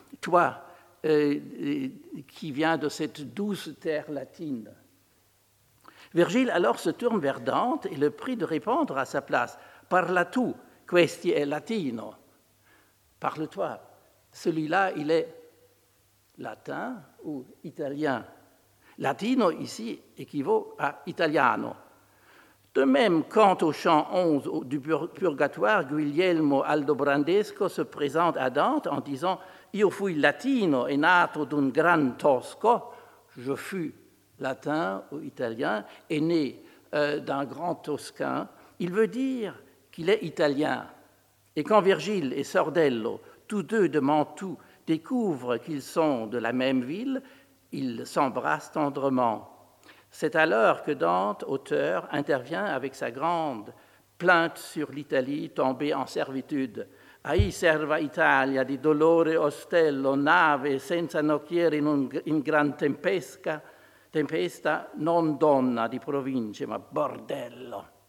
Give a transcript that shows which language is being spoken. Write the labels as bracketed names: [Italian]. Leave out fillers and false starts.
[French] Toi, qui viens de cette douce terre latine. Virgile alors se tourne vers Dante et le prie de répondre à sa place. [Italian] Parla tu, questi è latino. [French] Parle-toi, celui-là, il est latin ou italien. Latino ici équivaut à italiano. De même, quant au chant 11 du Purgatoire, Guglielmo Aldobrandesco se présente à Dante en disant « [Italian] Io fui latino e nato d'un gran tosco [French] »« Je fus latin ou italien et né d'un grand toscan » Il veut dire qu'il est italien. Et quand Virgile et Sordello, tous deux de Mantoue, découvrent qu'ils sont de la même ville, ils s'embrassent tendrement. C'est alors que Dante, auteur, intervient avec sa grande plainte sur l'Italie tombée en servitude. [Italian] Ahi serva Italia di dolore ostello, nave senza nocchiere in gran tempesta, non donna di province, ma bordello.